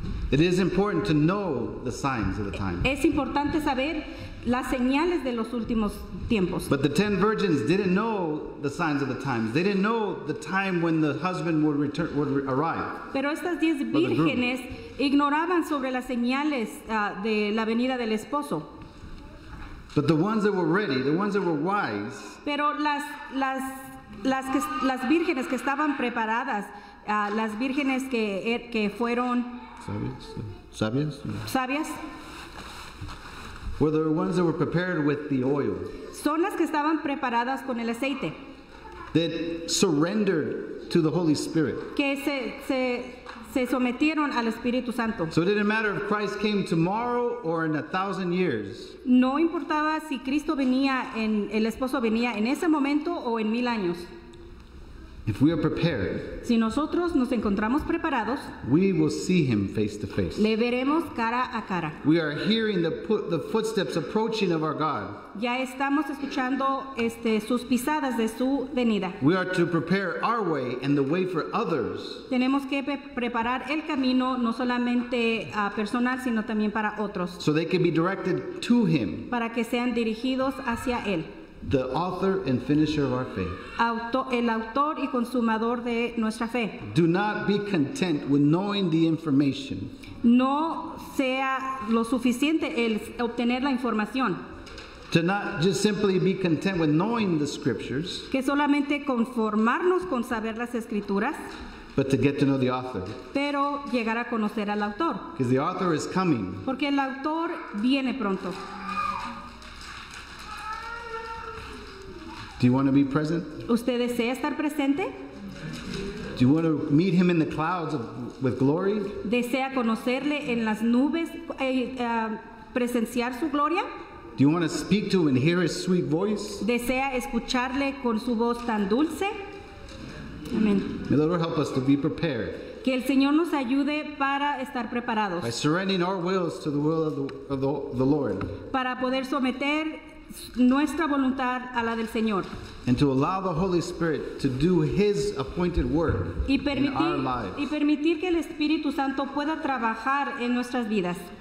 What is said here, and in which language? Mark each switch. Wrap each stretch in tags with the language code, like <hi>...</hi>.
<en>It is important to know the signs of the time.</en> <es>Es importante saber las señales de los últimos tiempos.</es> <en>But the ten virgins didn't know the signs of the times. They didn't know the time when the husband would arrive.</en> <es>Pero estas 10 vírgenes ignoraban sobre las señales de la venida del esposo.</es> <en>But the ones that were ready, the ones that were wise.</en> <es>Pero las vírgenes que estaban preparadas, las vírgenes que fueron sabias. Sabias.</es> <en>were the ones that were prepared with the oil.</en> <es>Son las que estaban preparadas con el aceite.</es> <en>That surrendered to the Holy Spirit.</en> <es>Que se sometieron al Espíritu Santo.</es> <en>So it didn't matter if Christ came tomorrow or in 1,000 years.</en> <es>No importaba si Cristo venía en el esposo venía en ese momento o en 1,000 años.</es> <en>If we are prepared,</en> <es>si nosotros nos encontramos preparados,</es> <en>we will see him face to face.</en> <es>Le veremos cara a cara.</es> <en>We are hearing the footsteps approaching of our God.</en> <es>Ya estamos escuchando sus pisadas de su venida.</es> <en>We are to prepare our way and the way for others.</en> <es>Tenemos que preparar el camino no solamente personal sino también para otros.</es> <en>So they can be directed to him.</en> <es>Para que sean dirigidos hacia él.</es> <en>The author and finisher of our faith.</en> <es>El autor y consumador de nuestra fe.</es> <en>Do not be content with knowing the information.</en> <es>No sea lo suficiente el obtener la información.</es> <en>To not just simply be content with knowing the scriptures.</en> <es>Que solamente conformarnos con saber las escrituras.</es> <en>But to get to know the author.</en> <es>Pero llegar a conocer al autor.</es> <en>Because the author is coming.</en> <es>Porque el autor viene pronto.</es> <en>Do you want to be present?</en> <es>¿Usted desea estar presente?</es> <en>Do you want to meet him in the clouds with glory?</en> <es>¿Desea conocerle en las nubes, presenciar su gloria?</es> <en>Do you want to speak to him and hear his sweet voice?</en> <es>¿Desea escucharle con su voz tan dulce? Amen.</es> <en>May the Lord help us to be prepared.</en> <es>Que el Señor nos ayude para estar preparados.</es> <en>By surrendering our wills to the will of the Lord.</en> <es>Para poder someter nuestra voluntad a la del Señor.</es> <en>And to allow the Holy Spirit to do his appointed work in our lives.</en> <es>Y permitir que el Espíritu Santo pueda trabajar en nuestras vidas.</es>